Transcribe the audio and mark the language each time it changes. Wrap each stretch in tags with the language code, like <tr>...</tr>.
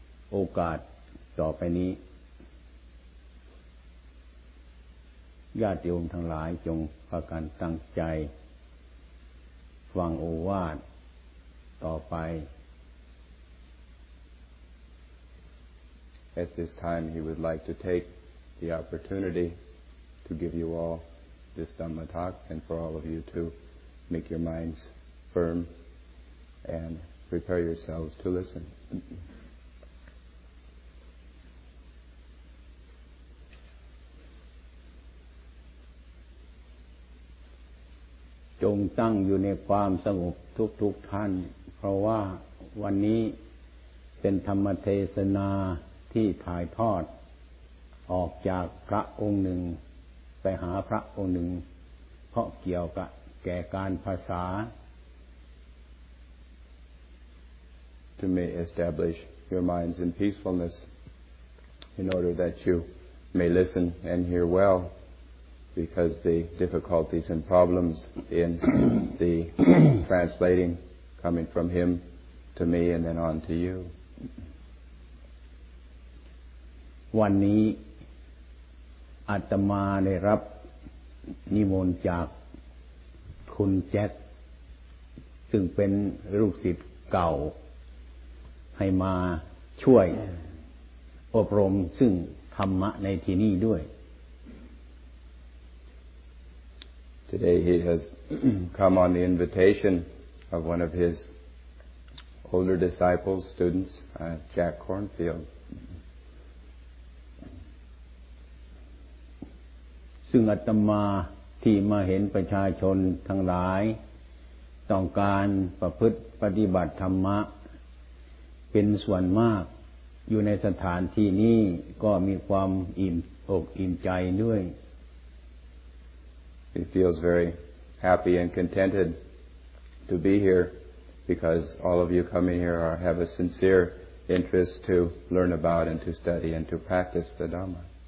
<th>โอกาสต่อไปนี้ญาติโยมทั้งหลายจงพากันตั้งใจฟังโอวาทต่อไป</th> <en>At this time he would like to take the opportunity to give you all this Dhamma talk and for all of you to make your minds firm and prepare yourselves to listen.</en> <th>จงตั้งอยู่ในความสงบทุกท่านเพราะว่าวันนี้เป็นธรรมเทศนาที่ถ่ายทอดออกจากพระองค์หนึ่งไปหาพระองค์หนึ่งเพราะเกี่ยวกับแก่การภาษา</th> <en>To may establish your minds in peacefulness in order that you may listen and hear well because the difficulties and problems in the translating coming from him to me and then on to you</en> <th>วันนี้อาตมาได้รับนิมนต์จากคุณแจ็คซึ่งเป็นลูกศิษย์เก่าให้มาช่วยอบรมซึ่งธรรมะในที่นี้ด้วย</th> <en>Today he has come on the invitation of one of his older disciples, students, Jack Kornfield.</en> <th>ซึ่งอาตมาที่มาเห็นประชาชนทั้งหลายต้องการประพฤติปฏิบัติธรรมะเป็นส่วนมากอยู่ในสถานที่นี้ก็มีความอิ่มอกอิ่มใจด้วย</th> <en>He feels very happy and contented to be here because all of you coming here have a sincere interest to learn about and to study and to practice the Dhamma.</en>